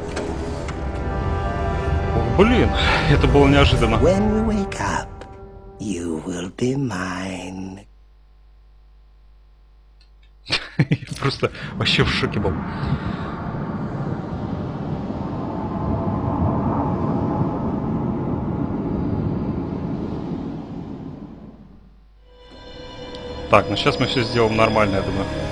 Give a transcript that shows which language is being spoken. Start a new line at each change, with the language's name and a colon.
Russian: О, блин, это было неожиданно.
English: When we wake up, you will be mine.
Russian: Я просто вообще в шоке был. Так, ну сейчас мы все сделаем нормально, я думаю.